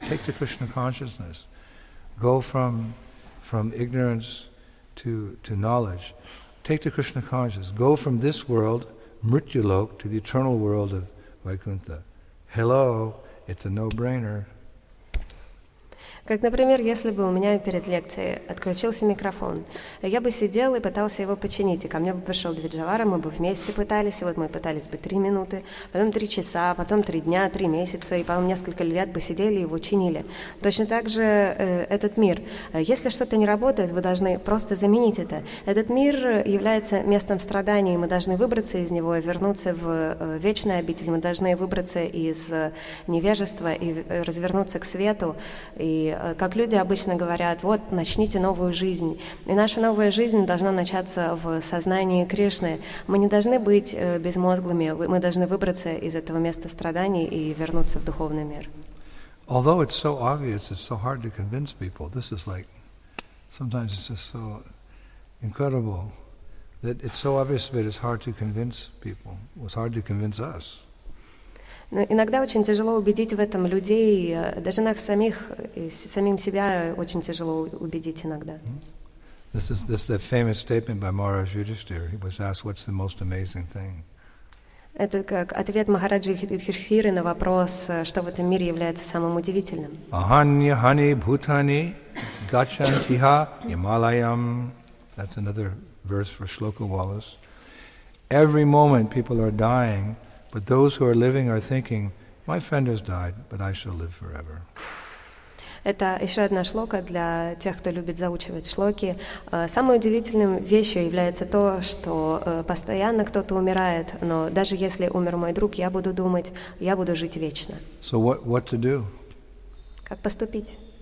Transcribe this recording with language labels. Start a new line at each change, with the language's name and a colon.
English: Take to Krishna consciousness. Go from ignorance to knowledge. Take to Krishna consciousness. Go from this world, Mrityulok, to the eternal world of Vaikuntha. Hello, it's a no-brainer.
Russian: Как, например, если бы у меня перед лекцией отключился микрофон, я бы сидел и пытался его починить, и ко мне бы пришел Двиджавара, мы бы вместе пытались, и вот мы пытались бы 3 минуты, потом 3 часа, потом 3 дня, 3 месяца, и потом несколько лет бы сидели и его чинили. Точно так же этот мир. Если что-то не работает, вы должны просто заменить это. Этот мир является местом страданий, мы должны выбраться из него и вернуться в вечный обитель, мы должны выбраться из невежества и развернуться к свету, и как люди обычно говорят, вот, начните новую жизнь. И наша новая жизнь должна начаться в сознании Кришны. Мы не должны быть безмозглыми, мы должны выбраться из этого места страданий и вернуться в духовный мир.
English: Although it's so obvious, it's so hard to convince people, this is like, sometimes it's just so incredible, that it's so obvious, but it's hard to convince people, it's hard to convince us.
Russian: Но иногда очень тяжело убедить в этом людей, даже нас самих, самим себя очень тяжело убедить иногда.
English: This is the famous statement by Maharaj Yudhishthira. He was asked, what's the most amazing thing?
Russian: Это как ответ Махараджи Юдхиштхиры на вопрос, что в этом мире является самым удивительным.
Sanskrit: Аханьяхани бхутани гачантиха ямалаям.
English: That's another verse for Shloka Wallace. Every moment people are dying, but those who are living are thinking, my friend has died, but I shall live forever.
Russian: Это еще одна шлока для тех, кто любит заучивать шлоки. Самой удивительной вещью является то, что постоянно кто-то умирает, но даже если умер мой друг, я буду думать, я буду жить вечно.
English: So what to do?
Russian: Как поступить?